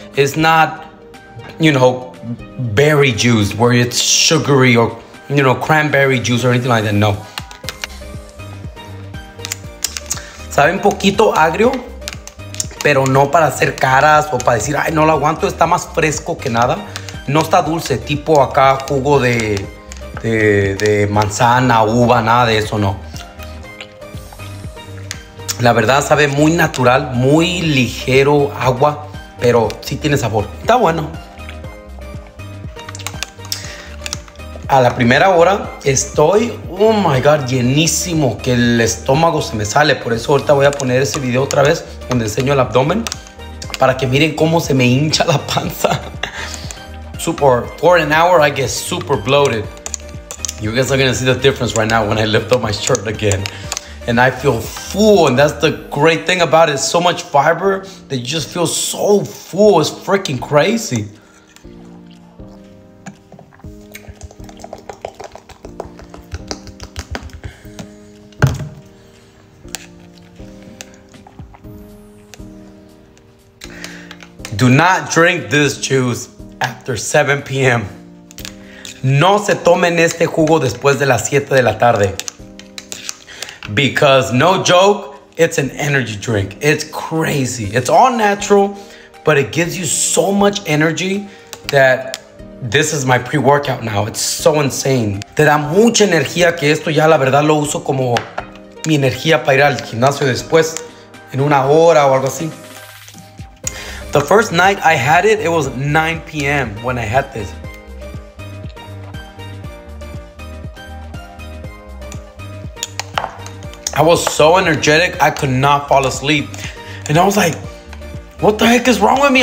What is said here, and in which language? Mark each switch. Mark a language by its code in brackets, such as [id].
[en] It's not, you know, berry juice where it's sugary or, you know, cranberry juice or anything like that. No. [es] Sabe un poquito agrio, pero no para hacer caras o para decir, ay, no lo aguanto. Está más fresco que nada. No está dulce, tipo acá jugo de manzana, uva, nada de eso, no. La verdad sabe muy natural, muy ligero agua, pero sí tiene sabor. Está bueno. A la primera hora estoy, [en] oh my God, [es] llenísimo, que el estómago se me sale. Por eso ahorita voy a poner ese video otra vez donde enseño el abdomen para que miren cómo se me hincha la panza. [en] Super, for an hour I get super bloated. You guys are gonna see the difference right now when I lift up my shirt again. And I feel full, and that's the great thing about it. So much fiber that you just feel so full. It's freaking crazy. Do not drink this juice after 7 p.m. [es] No se tomen este jugo después de las 7 de la tarde. [en] Because, no joke, it's an energy drink. It's crazy. It's all natural, but it gives you so much energy that this is my pre-workout now. It's so insane. [es] Te da mucha energía que esto ya la verdad lo uso como mi energía para ir al gimnasio después en una hora o algo así. [en] The first night I had it, it was 9 p.m. when I had this. I was so energetic, I could not fall asleep. And I was like, what the heck is wrong with me?